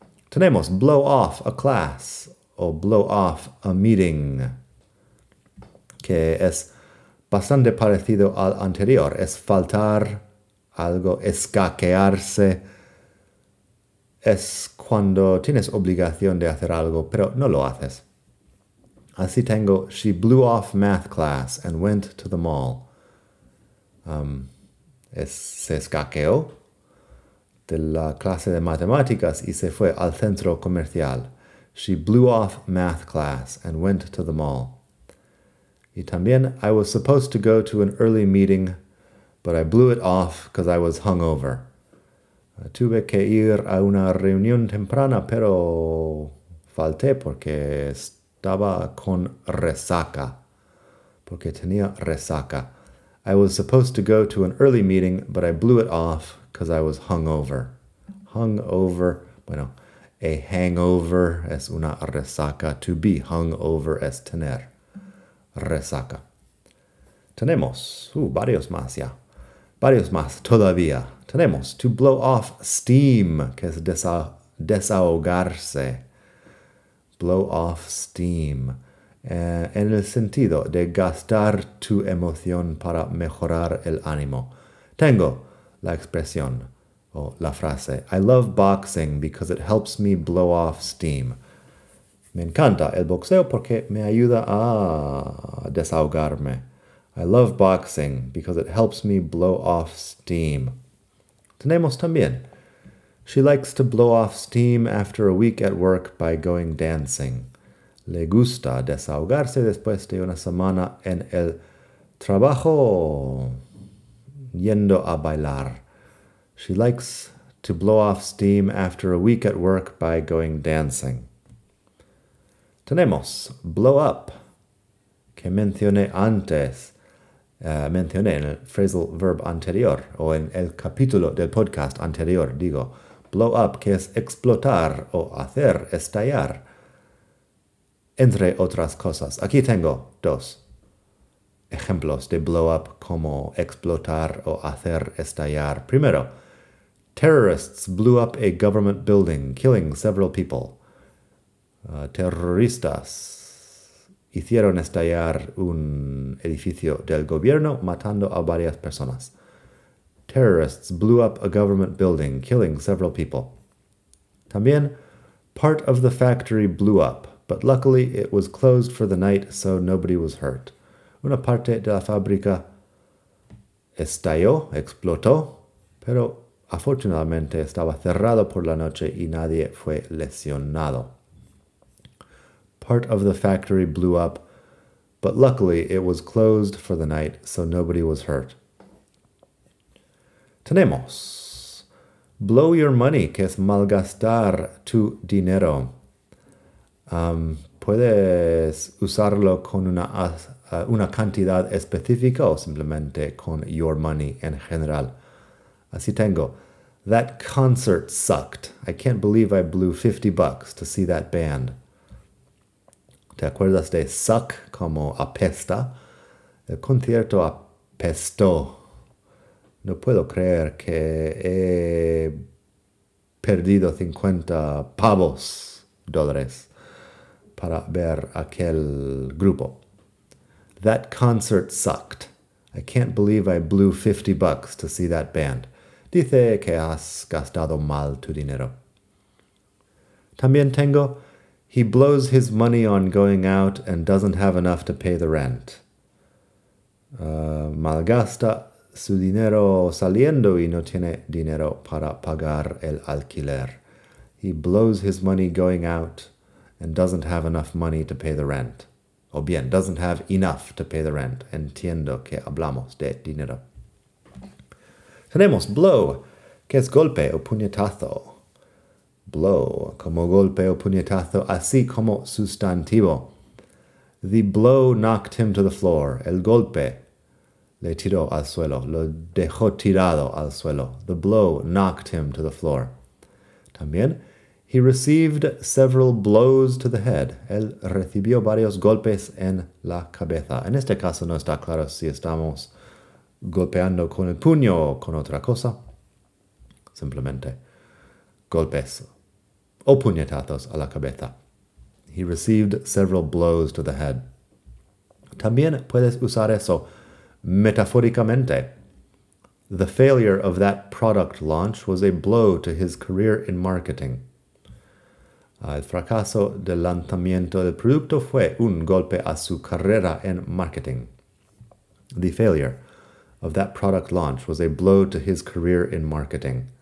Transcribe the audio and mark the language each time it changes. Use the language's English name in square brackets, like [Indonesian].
[Spanish] Tenemos blow off a class o blow off a meeting, que es bastante parecido al anterior. Es faltar algo, escaquearse. Es cuando tienes obligación de hacer algo, pero no lo haces. Así tengo, [English] she blew off math class and went to the mall. [Spanish] Se escaqueó de la clase de matemáticas y se fue al centro comercial. [English] She blew off math class and went to the mall. [Spanish] Y también, [English] I was supposed to go to an early meeting, but I blew it off because I was hungover. [Spanish] Tuve que ir a una reunión temprana, pero falté porque estaba con resaca. Porque tenía resaca. [English] I was supposed to go to an early meeting, but I blew it off because I was hungover. [Spanish] Hungover, bueno, a hangover es una resaca. To be hungover es tener resaca. Tenemos, varios más ya. Varios más todavía. Tenemos to blow off steam, que es desahogarse. [English] Blow off steam. [Spanish] En el sentido de gastar tu emoción para mejorar el ánimo. Tengo la expresión o la frase. [English] I love boxing because it helps me blow off steam. [Spanish] Me encanta el boxeo porque me ayuda a desahogarme. [English] I love boxing because it helps me blow off steam. [Spanish] Tenemos también. [English] She likes to blow off steam after a week at work by going dancing. [Spanish] Le gusta desahogarse después de una semana en el trabajo yendo a bailar. [English] She likes to blow off steam after a week at work by going dancing. [Spanish] Tenemos blow up, que mencioné antes. Mencioné en el phrasal verb anterior, o en el capítulo del podcast anterior, digo, blow up, que es explotar o hacer estallar, entre otras cosas. Aquí tengo dos ejemplos de blow up como explotar o hacer estallar. Primero, [English] terrorists blew up a government building, killing several people. [Spanish] Terroristas hicieron estallar un edificio del gobierno, matando a varias personas. [English] Terrorists blew up a government building, killing several people. [Spanish] También, [English] part of the factory blew up, but luckily it was closed for the night, so nobody was hurt. [Spanish] Una parte de la fábrica estalló, explotó, pero afortunadamente estaba cerrado por la noche y nadie fue lesionado. [English] Part of the factory blew up, but luckily it was closed for the night, so nobody was hurt. [Spanish] Tenemos. Blow your money, que es malgastar tu dinero. Puedes usarlo con una cantidad específica o simplemente con your money en general. Así tengo. [English] That concert sucked. I can't believe I blew $50 to see that band. [Spanish] ¿Te acuerdas de suck como apesta? El concierto apestó. No puedo creer que he perdido 50 pavos, dólares, para ver aquel grupo. [English] That concert sucked. I can't believe I blew $50 to see that band. [Spanish] Dice que has gastado mal tu dinero. También tengo... [English] He blows his money on going out and doesn't have enough to pay the rent. [Spanish] Malgasta su dinero saliendo y no tiene dinero para pagar el alquiler. [English] He blows his money going out and doesn't have enough money to pay the rent. [Spanish] O bien, [English] doesn't have enough to pay the rent. [Spanish] Entiendo que hablamos de dinero. Tenemos blow, que es golpe o puñetazo. Blow, como golpe o puñetazo, así como sustantivo. [English] The blow knocked him to the floor. [Spanish] El golpe le tiró al suelo, lo dejó tirado al suelo. [English] The blow knocked him to the floor. [Spanish] También, [English] he received several blows to the head. [Spanish] Él recibió varios golpes en la cabeza. En este caso no está claro si estamos golpeando con el puño o con otra cosa. Simplemente, golpes. O puñetazos a la cabeza. [English] He received several blows to the head. [Spanish] También puedes usar eso metafóricamente. [English] The failure of that product launch was a blow to his career in marketing. [Spanish] El fracaso del lanzamiento del producto fue un golpe a su carrera en marketing. [English] The failure of that product launch was a blow to his career in marketing.